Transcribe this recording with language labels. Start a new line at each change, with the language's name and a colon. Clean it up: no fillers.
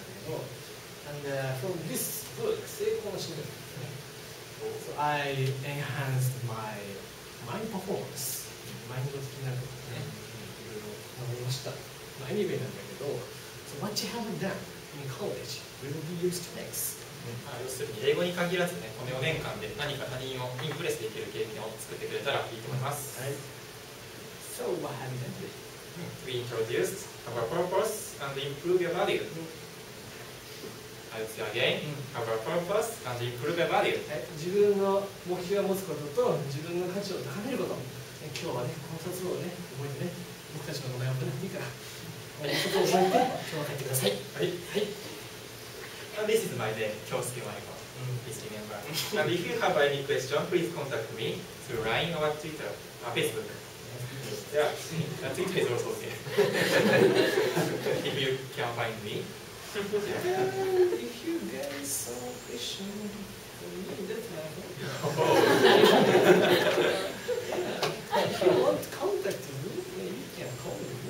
English: And from this book, so I enhanced my mind performance. So what you have done in college will be used next.
Japanese: 要するに英語に限らずね、この4年間で何か他人をインプレスできる経験を作ってくれたらいいと思います。はい。
English: So, what have you done? We introduced our purpose and improve your value. I'll say again, our purpose and improve your value.
Japanese: 自分の目標を持つことと自分の価値を高めること。今日はね、この2つをね、覚えてね、僕たちの名前を覚えていいから、この2つを覚えて、今日は帰ってください。はい。はい。
English: And this is my name, Kyosuke Maiko, please remember. And if you have any question, please contact me through LINE or Twitter, Facebook. Yeah, Twitter is also okay. If you can find me. If you guys have a question, if you want to contact me, you can call me.